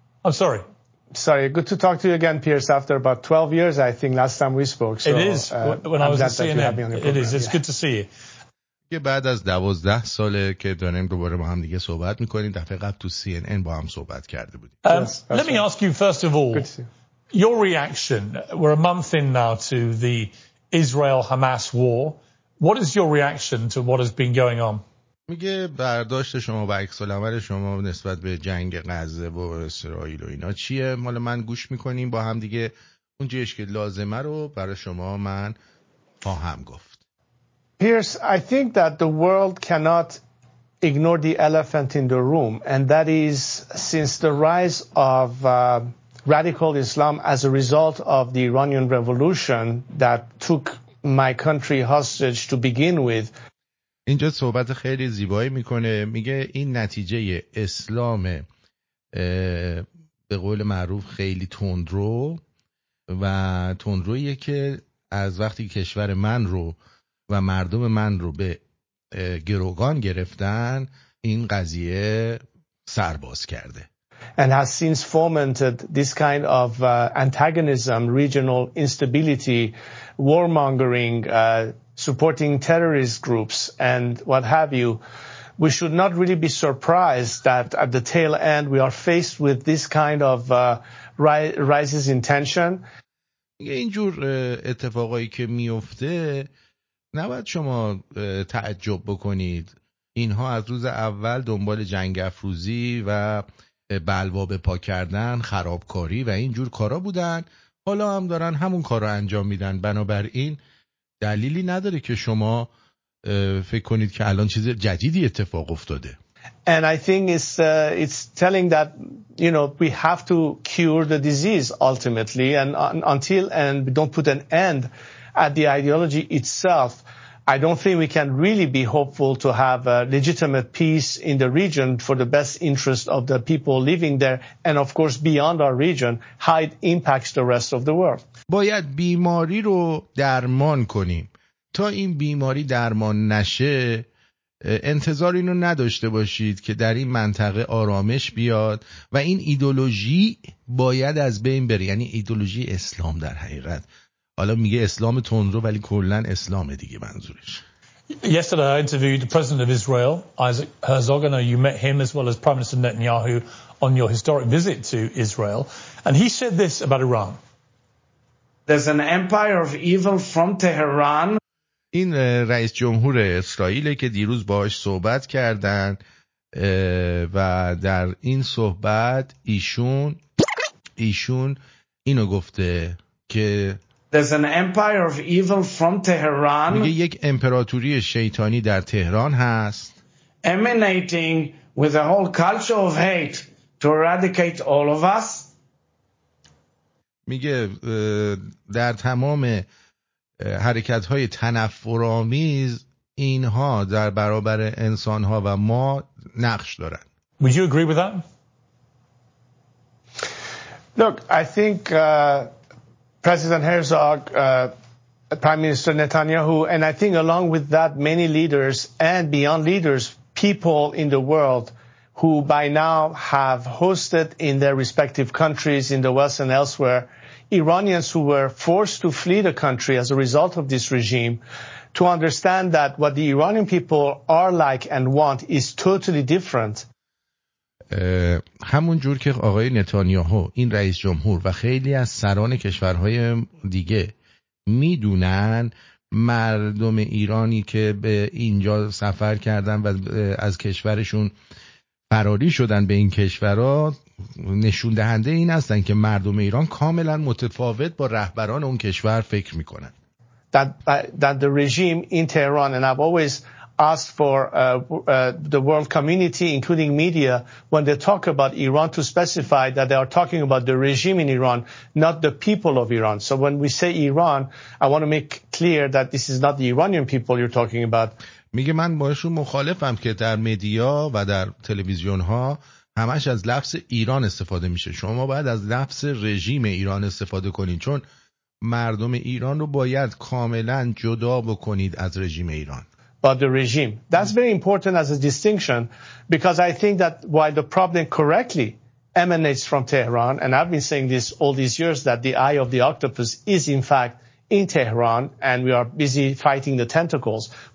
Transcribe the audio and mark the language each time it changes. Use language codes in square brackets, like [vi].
[en] Sorry, good to talk to you again, Pierce, after about 12 years, I think, last time we spoke. So, it is, when I'm I was at CNN. It is, it's yeah. good to see you. [fa] که بعد از 12 ساله که داریم دوباره با هم دیگه صحبت میکنیم، دفعه قبل تو CNN با هم صحبت کرده بودیم. [en] Let me ask you first of all, your reaction, we're a month in now to the Israel-Hamas war. What is your reaction to what has been going on? [fa] میگه برداشت شما و عکس‌العمل شما نسبت به جنگ غزه و اسرائیل و اینا چیه؟ مال من گوش میکنیم با هم دیگه، اون جهش که لازمه رو برای شما من خواهم گفت. [en] Pierce, I think that the world cannot ignore the elephant in the room, and that is since the rise of radical Islam as a result of the Iranian revolution that took my country hostage to begin with. [fa] اینجا صحبت خیلی زیبایی میکنه، میگه این نتیجه اسلام به قول معروف خیلی تندرو و تندرویه که از وقتی کشور من رو و مردم من رو به گروگان گرفتن این قضیه سرباز کرده. [en] And has since fomented this kind of antagonism, regional instability, warmongering, supporting terrorist groups and what have you. We should not really be surprised that at the tail end we are faced with this kind of rises in tension. [fa] اینجور اتفاقایی که میفته نباید شما تعجب بکنید، اینها از روز اول دنبال جنگ افروزی و بلوا به پا کردن، خرابکاری و این جور کارا بودن، حالا هم دارن همون کارا انجام میدن، بنابراین دلیلی نداره که شما فکر کنید که الان چیز جدیدی اتفاق افتاده. [en] And I think it's telling that you know we have to cure the disease ultimately and until and we don't put an end at the ideology itself, I don't think we can really be hopeful to have a legitimate peace in the region for the best interest of the people living there and of course beyond our region how it impacts the rest of the world. [fa] باید بیماری رو درمان کنیم. تا این بیماری درمان نشه انتظار اینو نداشته باشید که در این منطقه آرامش بیاد و این ایدولوژی باید از بین بره، یعنی ایدولوژی اسلام در حقیقت. حالا میگه اسلام تندرو ولی کلن اسلام دیگه منظورش. [en] Yesterday I interviewed the president of Israel, Isaac Herzog. I know you met him as well as Prime Minister Netanyahu on your historic visit to Israel. And he said this about Iran. There's an empire of evil from Tehran. [fa] این رئیس جمهور اسرائیله که دیروز باهاش صحبت کردن و در این صحبت ایشون اینو گفته که [en] There's an empire of evil from Tehran. [fa] میگه یک امپراتوری شیطانی در تهران هست. [en] Emanating with a whole culture of hate to eradicate all of us. [fa] میگه در تمام حرکت‌های تنفرآمیز اینها در برابر انسان‌ها و ما نقش دارند. [en] Would you agree with that? Look, I think President Herzog, Prime Minister Netanyahu, and I think along with that many leaders and beyond leaders, people in the world who by now have hosted in their respective countries in the West and elsewhere, Iranians who were forced to flee the country as a result of this regime, to understand that what the Iranian people are like and want is totally different. [fa] همون جور که آقای نتانیاهو این رئیس جمهور و خیلی از سران کشورهای دیگه میدونن، مردم ایرانی که به اینجا سفر کردن و از کشورشون فراری شدن به این کشورها نشون دهنده این هستن که مردم ایران کاملا متفاوت با رهبران اون کشور فکر میکنن. [en] That the regime in Tehran, and I've always asked for the world community, including media, when they talk about Iran, to specify that they are talking about the regime in Iran, not the people of Iran. So when we say Iran, I want to make clear that this is not the Iranian people you're talking about. [fa] میگه من باشون مخالفم که در مدیا و در تلویزیون ها همش از لفظ ایران استفاده میشه. شما باید از لفظ رژیم ایران استفاده کنید، چون مردم ایران رو باید کاملا جدا بکنید از رژیم ایران. [en] But the regime, that's very important as a distinction, because I think that while the problem correctly emanates from Tehran, and I've been saying this all these years, that the eye of the octopus is in fact in Tehran and we are busy fighting the tentacles.